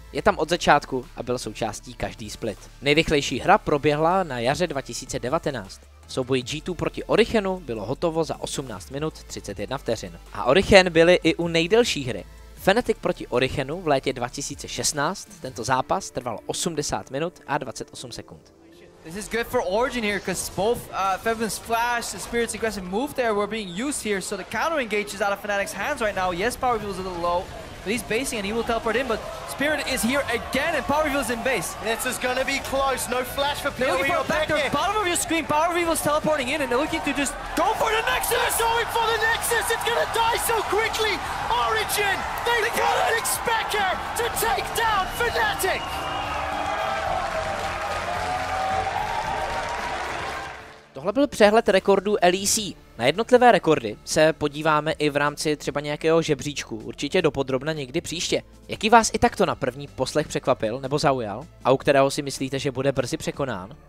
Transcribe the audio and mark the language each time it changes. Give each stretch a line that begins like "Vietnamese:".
Czech: Je tam od začátku a byl součástí každý split. Nejrychlejší hra proběhla na jaře 2019. V souboji G2 proti Orichenu bylo hotovo za 18 minut 31 vteřin. A Orichen byli i u nejdelší hry. Fnatic proti Orichenu v létě 2016, tento zápas trval 80 minut a 28 sekund.
English: This is good for Origin here because both Fevin's Flash and Spirit's aggressive move there were being used here. So the counter engage is out of Fnatic's hands right now. Yes, Power Evil's a little low, but he's basing and he will teleport in. But Spirit is here again and Power Evil's in base. This is going to be close. No flash for Pillory. Looking for a backdoor. Bottom of your screen, Power Evil's teleporting in and they're looking to just go for the Nexus. They're going for the Nexus. It's going to die so quickly. Origin, they got an Xpecker to take down Fnatic.
Czech: Tohle byl přehled rekordů LEC. Na jednotlivé rekordy se podíváme i v rámci třeba nějakého žebříčku, určitě dopodrobna někdy příště. Jaký vás i takto na první poslech překvapil nebo zaujal a u kterého si myslíte, že bude brzy překonán?